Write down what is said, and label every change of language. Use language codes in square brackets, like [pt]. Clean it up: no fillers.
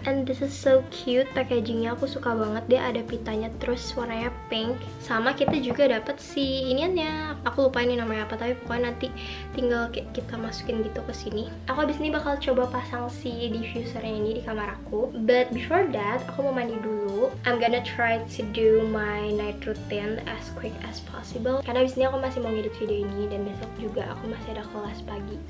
[en] And this is so cute [id] packagingnya, aku suka banget. Dia ada pitanya, terus warnanya pink. Sama kita juga dapat si iniannya. Aku lupa ini namanya apa, tapi pokoknya nanti tinggal kita masukin gitu ke sini. Aku abis ini bakal coba pasang si diffusernya ini di kamar aku. [en] But before that, [id] aku mau mandi dulu. [en] I'm gonna try to do my night routine as quick as possible. [id] Karena abis ini aku masih mau ngedit video ini dan besok juga aku masih ada kelas pagi.